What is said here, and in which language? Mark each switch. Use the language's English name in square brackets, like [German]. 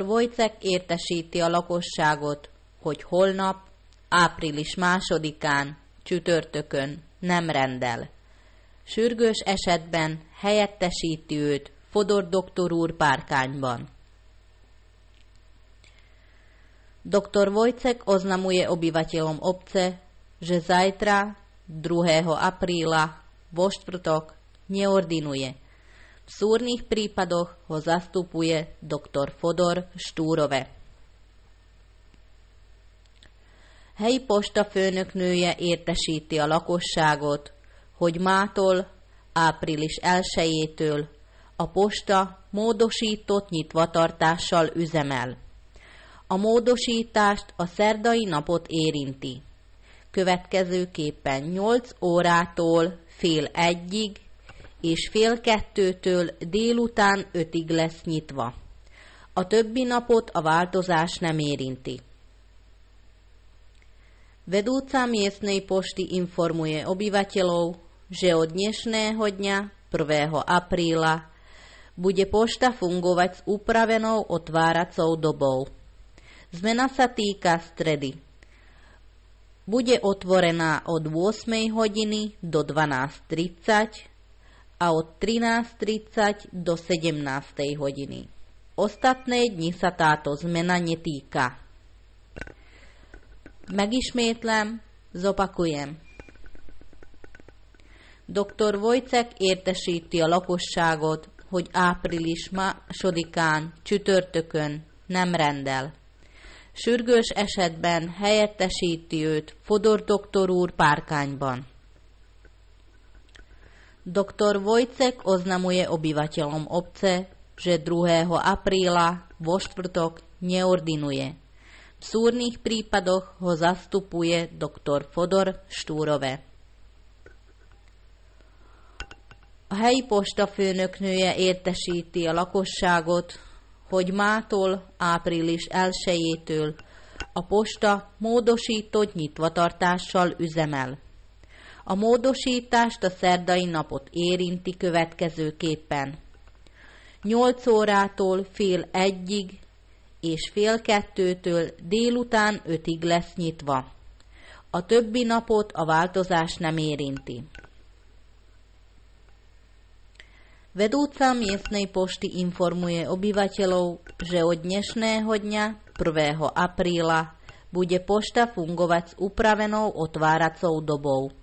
[Hungarian] Wojciech értesíti a lakosságot, hogy holnap, április 2-án, csütörtökön nem rendel. Sürgős esetben helyettesíti őt Fodor doktor úr Párkányban. [Slovak] Dr. Wojciech oznamuje obyvateľom obce, že zajtra, 2. apríla, vo štvrtok, neordinuje. V súrnych prípadoch ho zastupuje dr. Fodor Štúrove. [Hungarian] Helyi posta főnöknője értesíti a lakosságot, hogy mától, április 1-től a posta módosított nyitvatartással üzemel. A módosítást a szerdai napot érinti. Következőképpen 8 órától fél 1-ig és fél 2-től délután 5-ig lesz nyitva. A többi napot a változás nem érinti. [Slovak] Vedúca miestnej pošty informuje obyvateľov, že od dnešného dňa, 1. apríla, bude pošta fungovať s upravenou otváracou dobou. Zmena sa týka stredy. Bude otvorená od 8 hodiny do 12.30 a od 13.30 do 17. hodiny. Ostatné dni sa táto zmena netýka. [Hungarian] Megismétlem, [Slovak] zopakujem. [Hungarian] Dr. Wojciech értesíti a lakosságot, hogy április 2-án csütörtökön nem rendel. Sürgős esetben helyettesíti őt Fodor doktor úr Párkányban. [Slovak] Dr. Wojciech oznamuje obyvateľom obce, že 2. apríla vo štvrtok neordinuje. V súrnych prípadoch ho zastupuje dr. Fodor Štúrove. [Hungarian] A helyi posta főnöknője értesíti a lakosságot, hogy mától, április 1-től a posta módosított nyitvatartással üzemel. A módosítást a szerdai napot érinti következőképpen. 8 órától fél 1-ig és fél 2-től délután 5-ig lesz nyitva. A többi napot a változás nem érinti. [Slovak] Vedúca miestnej pošty informuje obyvateľov, že od dnešného dňa, 1. apríla, bude pošta fungovať s upravenou otváracou dobou.